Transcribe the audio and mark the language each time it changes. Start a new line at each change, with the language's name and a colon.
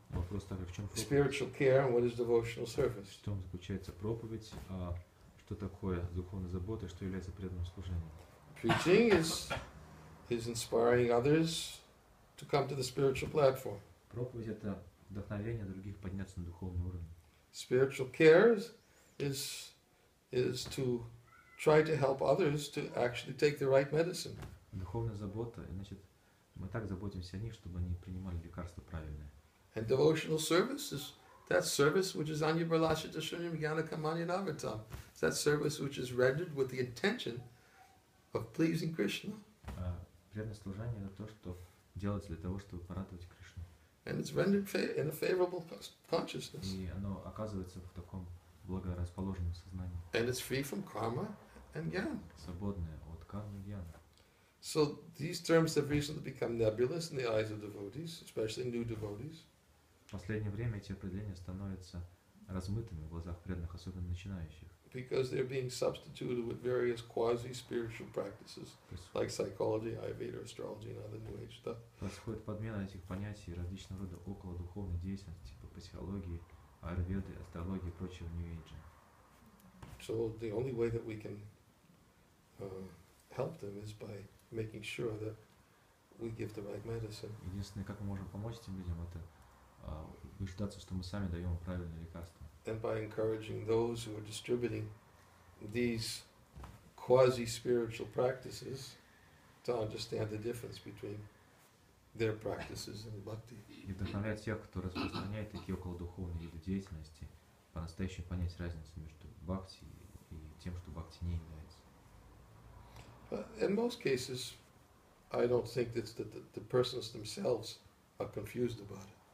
Russian: Вопрос такой: в чем проповедь?
English: Spiritual care and what is devotional service?
Russian: В чем заключается проповедь? А что такое духовная забота? Что является преданным служением?
English: Preaching is inspiring others to come to the spiritual platform.
Russian: Проповедь — это вдохновение других подняться на духовный уровень.
English: Spiritual care is to try to help others to actually take the right medicine.
Russian: Духовная забота, значит, мы так заботимся о них, чтобы они принимали лекарства правильные.
English: And devotional service is that service which is
Sanskrit: anyabralasha dashunyam jnana kamanya navratam.
English: It's that service which is rendered with the intention of pleasing Krishna.
Russian: Преданное служение — это то, что делается для того, чтобы порадовать Кришну.
English: And it's rendered in a favorable consciousness.
Russian: И оно оказывается в таком благорасположенном сознании.
English: And it's free from karma and jnana.
Russian: Свободное от кармы и джняны.
English: So these terms have recently become nebulous in the eyes of devotees, especially new devotees.
Russian: В последнее время эти определения становятся размытыми в глазах преданных, особенно начинающих.
English: Because they're being substituted with various quasi-spiritual practices, like psychology, Ayurveda, astrology, and other new age stuff.
Russian: Происходит подмена этих понятий различного рода околодуховной деятельности, типа психологии, Айурведы, астрологии и прочего new age.
English: So the only way that we can help them is by making sure that we give the right medicine.
Russian: Единственное, как мы можем помочь этим людям, это убеждаться, что мы сами даем правильное лекарство.
English: And by encouraging those who are distributing these quasi-spiritual practices to understand the difference between their practices and bhakti.
Russian: И вдохновлять тех, кто распространяет такие околодуховные виды деятельности, по-настоящему понять разницу между бхакти и тем, что бхакти не является.
English: In most cases, I don't think that the persons themselves are confused about it.